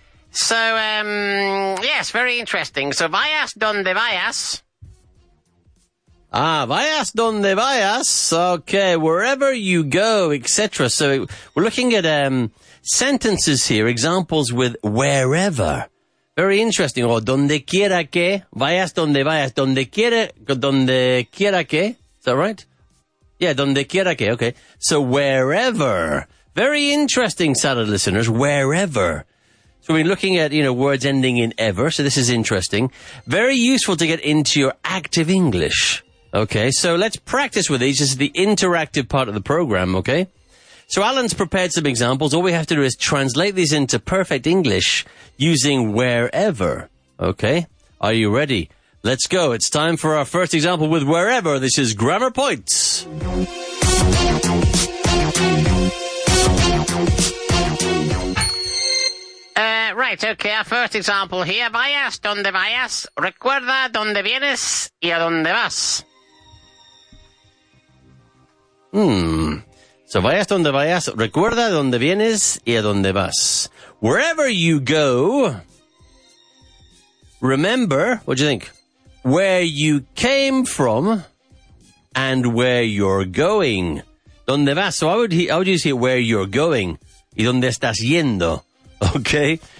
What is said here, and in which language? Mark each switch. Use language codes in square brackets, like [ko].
[en] So, yes, very interesting. So, [es] vayas donde vayas. [en] Ah, [es] vayas donde vayas. [en] Okay, wherever you go, etc. So, we're looking at sentences here, examples with wherever. Very interesting. [es] Or, donde quiera que, vayas donde vayas, donde quiera que. [en] Is that right? Yeah, [es] donde quiera que, [en] okay. So, wherever. Very interesting, salad listeners, wherever. So, we're looking at, you know, words ending in ever, so this is interesting. Very useful to get into your active English. Okay, so let's practice with these. This is the interactive part of the program, okay? So, Alan's prepared some examples. All we have to do is translate these into perfect English using wherever. Okay, are you ready? Let's go. It's time for our first example with wherever. This is Grammar Points. Right. Right, okay, our first example here. [es] Vayas donde vayas, recuerda donde vienes y a donde vas. So vayas donde vayas, recuerda donde vienes y a donde vas. [en] Wherever you go, remember, what do you think? Where you came from and where you're going. [es] ¿Dónde vas? [en] So how would you say where you're going? [es] ¿Y dónde estás yendo? [en] Okay.